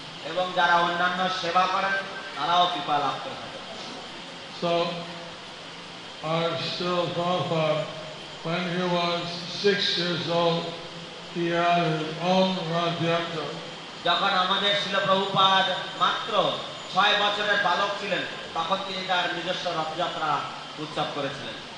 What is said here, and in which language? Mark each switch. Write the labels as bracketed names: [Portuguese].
[Bangla] এবং যারা অন্যান্য সেবা করেন তারাও কৃপা লাভ করে থাকে. [English] So, our Srila Prabhupada, when he was 6 years old, he had his own Radhyatra. [Bangla] যখন আমাদের শ্রীল প্রভুপাদ মাত্র 6 বছরের বালক ছিলেন তখন তিনি তার নিজস্ব রথযাত্রা উৎসব করেছিলেন.